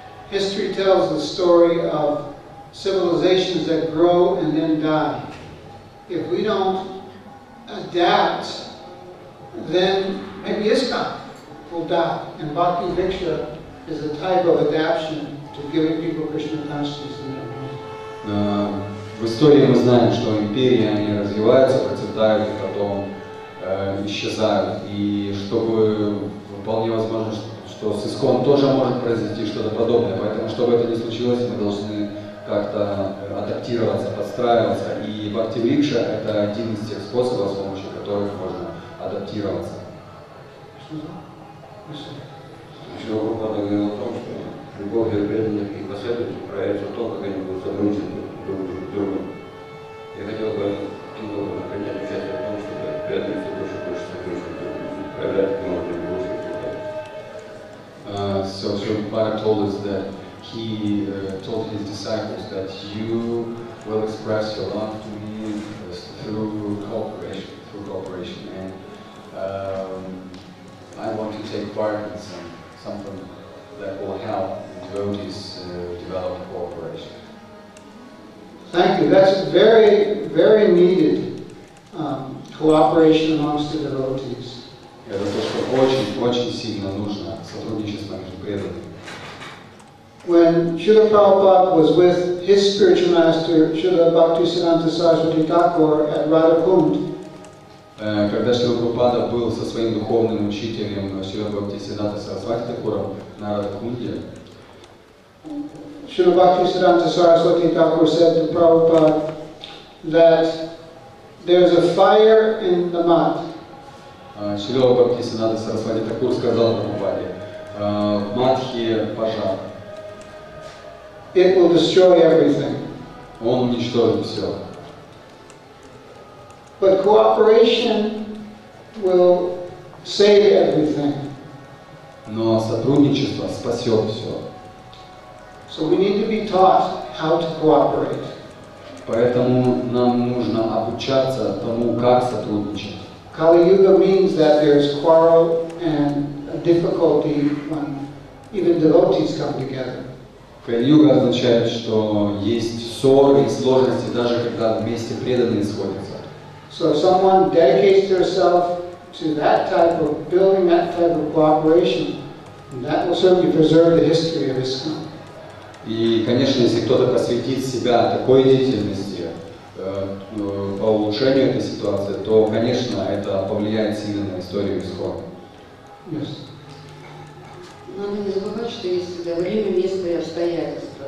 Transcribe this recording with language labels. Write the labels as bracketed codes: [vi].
[en] History tells the story of civilizations that grow and then die. If we don't adapt, then maybe ISKCON will die, and Bhakti Vriksha is a type of adaptation to giving people Krishna consciousness in their mind. [ru] В истории мы знаем, что империи, они развиваются, процветают, потом исчезают. И чтобы вполне возможно, что с ИСКОН тоже может произойти что-то подобное. Поэтому, чтобы это не случилось, мы должны как-то адаптироваться, подстраиваться. И Бхакти Брикша – это один из тех способов, с помощью которых можно адаптироваться. Еще Прабхупада говорил о том, что любовь для преданных и последователей проявится в том, как они будут сотрудничать друг с другом. Я хотел бы принять участие в том, чтобы преданные все больше сотрудничать друг с другом, проявлять к нему любовь и [en] So Prabhupada told us that he told his disciples that you will express your love to me through cooperation, and I want to take part in something that will help devotees develop cooperation. Thank you. That's very, very needed cooperation amongst the devotees. [ru] Это то, что очень-очень сильно нужно, сотрудничество между преданными. [en] When Srila Prabhupada was with his spiritual master, Srila Bhaktisiddhanta Saraswati Thakur at Radhakund, [ru] Когда Шрила Прабхупада был со своим духовным учителем Шрила Бхактисиддханта Сарасвати Такура на Радхакунде, [en] Шрила Бхактисиддханта Сарасвати Такур said to Prabhupada that there is a fire in the mat. [ru] Шрила Бхактисиддханта Сарасвати Такур сказал Прабхупаде, в матхе пожар. [en] It will destroy everything. [ru] Он уничтожит все. [en] But cooperation will save everything. [ru] Но сотрудничество спасет все. [en] So we need to be taught how to cooperate. [ru] Поэтому нам нужно обучаться тому, как сотрудничать. [en] Kali Yuga means that there is quarrel and difficulty when even devotees come together. [ru] Kali Yuga означает, что есть ссоры и сложности, даже когда вместе преданные сходятся. [en] So if someone dedicates themselves to that type of building that type of cooperation, that will certainly preserve the history of ISKCON. [ru] И, конечно, если кто-то посвятит себя такой деятельности по улучшению этой ситуации, то, конечно, это повлияет сильно на историю исхода. [en] Yes. [ru] Надо не забывать, что есть время, место и обстоятельства.